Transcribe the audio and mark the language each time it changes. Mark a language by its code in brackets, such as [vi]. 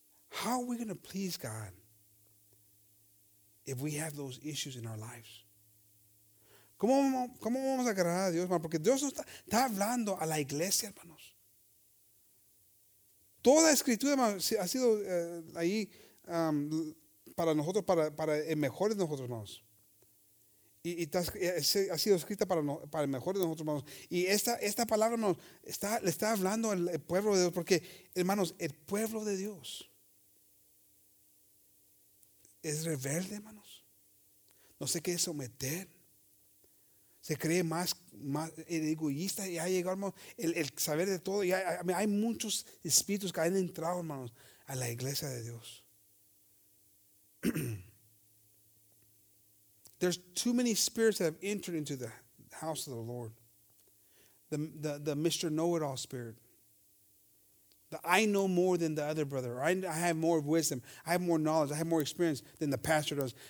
[en] How are we going to please God if we have those issues in our lives? [es] ¿Cómo vamos a agradar a Dios, hermano? Porque Dios nos está hablando a la iglesia, hermanos. Toda escritura, hermano, ha sido ahí para nosotros, para el mejor de nosotros, hermanos. Ha sido escrita para el mejor de nosotros, hermanos. Y esta palabra, hermanos, le está hablando al pueblo de Dios. Porque, hermanos, el pueblo de Dios es rebelde, hermanos. No se quiere someter. Se cree más egoísta. Y ha llegado, hermanos, el saber de todo. Y hay muchos espíritus que han entrado, hermanos, a la iglesia de Dios. [en] There's too many spirits that have entered into the house of the Lord. The Mr. Know-it-all spirit. The I know more than the other brother. I have more wisdom. I have more knowledge. I have more experience than the pastor does.